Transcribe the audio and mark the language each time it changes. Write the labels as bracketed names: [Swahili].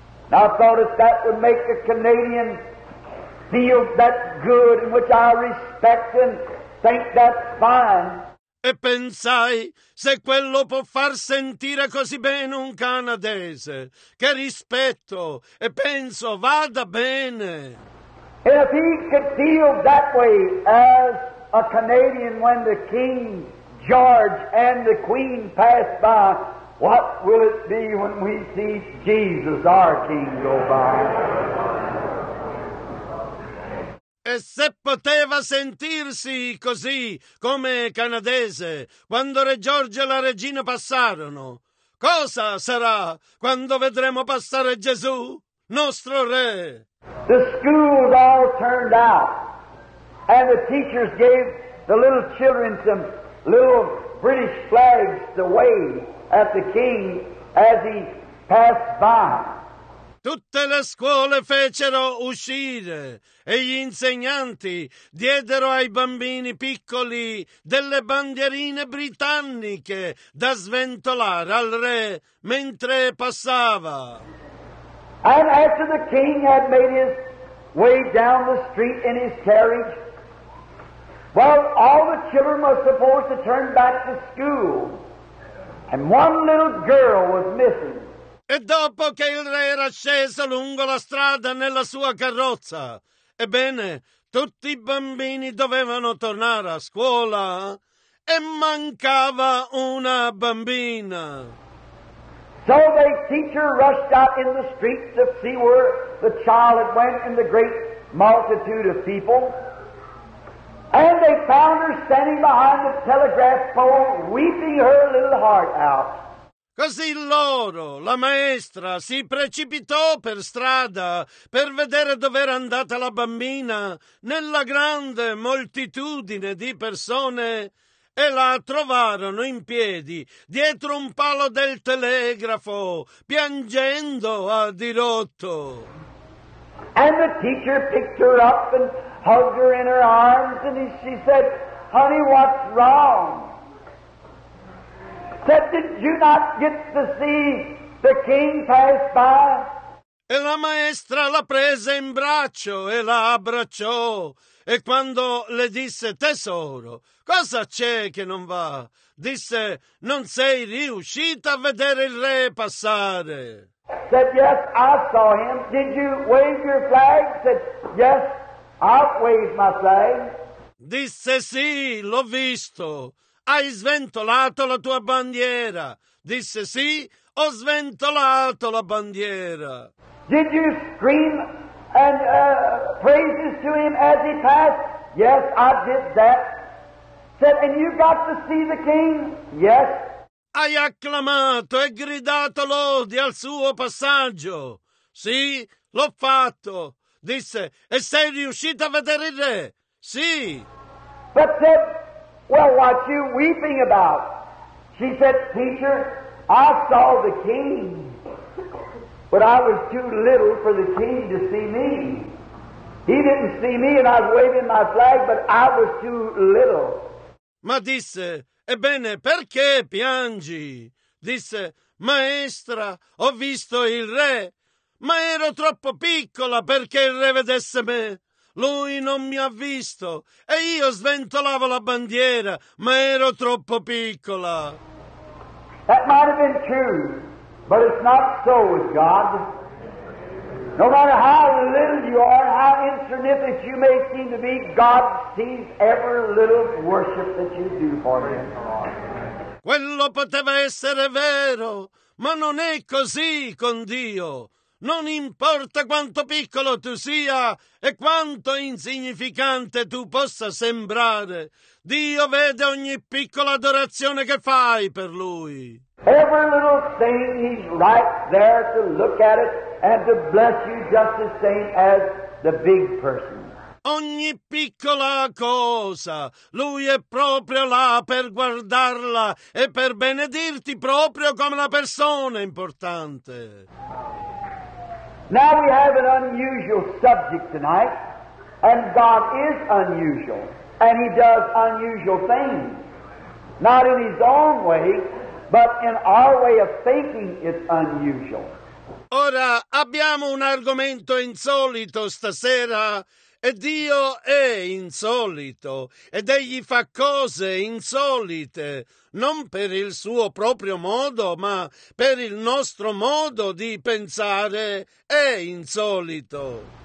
[English] Now, I thought if that would make a Canadian feel that good, which I respect and think that's fine. [Italian] E pensai, se quello può far sentire così bene un canadese, che rispetto, e penso vada bene. [English] And if he could feel that way as a Canadian when the king George and the queen passed by, what will it be when we see Jesus, our king, go by? [Italian] E se poteva sentirsi così come canadese quando Re Giorgio e la regina passarono, cosa sarà quando vedremo passare Gesù, nostro re? [English] The schools all turned out and the teachers gave the little children some little British flags to wave at the king as he passed by. [Italian] Tutte le scuole fecero uscire e gli insegnanti diedero ai bambini piccoli delle bandierine britanniche da sventolare al re mentre passava. [English] And after the king had made his way down the street in his carriage, well, all the children were supposed to turn back to school, and one little girl was missing. [Italian] E dopo che il re era sceso lungo la strada nella sua carrozza, ebbene, tutti i bambini dovevano tornare a scuola e mancava una bambina. [English] So the teacher rushed out in the street to see where the child had went in the great multitude of people. And they found her standing behind the telegraph pole, weeping her little heart out. [Italian] Così loro, la maestra, si precipitò per strada per vedere dov'era andata la bambina nella grande moltitudine di persone e la trovarono in piedi dietro un palo del telegrafo, piangendo a dirotto. [English] And the teacher picked her up and hugged her in her arms and she said, "Honey, what's wrong?" Said, "Did you not get to see the king pass by?" [Italian] E la maestra la prese in braccio e la abbracciò. E quando le disse, "Tesoro, cosa c'è che non va?" disse, "Non sei riuscita a vedere il re passare." [English] Said, "Yes, I saw him. Did you wave your flag?" Said, "Yes, I waved my flag." [Italian] Disse, "Sì, l'ho visto. Hai sventolato la tua bandiera?" Disse, "Sì, ho sventolato la bandiera." [English] "Did you scream and praises to him as he passed?" "Yes, I did that." Said, "And you got to see the king?" "Yes." [Italian] "Hai acclamato e gridato lodi al suo passaggio?" "Sì, l'ho fatto." Disse, "E sei riuscita a vedere il re?" "Sì." [English] "But said, well, what are you weeping about?" She said, "Teacher, I saw the king, but I was too little for the king to see me. He didn't see me and I was waving my flag, but I was too little." [Italian] Ma disse, "Ebbene, perché piangi?" Disse, "Maestra, ho visto il re, ma ero troppo piccola perché il re vedesse me. Lui non mi ha visto e io sventolavo la bandiera, ma ero troppo piccola." [English] That might have been true, but it's not so with God. No matter how little you are, how insignificant you may seem to be, God sees every little worship that you do for Him. [Italian] Quello poteva essere vero, ma non è così con Dio. Non importa quanto piccolo tu sia e quanto insignificante tu possa sembrare, Dio vede ogni piccola adorazione che fai per Lui. [English] Every little thing He's right there to look at it and to bless you just the same as the big person. [Italian] Ogni piccola cosa, Lui è proprio là per guardarla e per benedirti proprio come una persona importante. [English] Now we have an unusual subject tonight, and God is unusual, and He does unusual things. Not in His own way, but in our way of thinking it's unusual. [Italian] Ora abbiamo un argomento insolito stasera, e Dio è insolito, ed Egli fa cose insolite, non per il suo proprio modo, ma per il nostro modo di pensare, è insolito.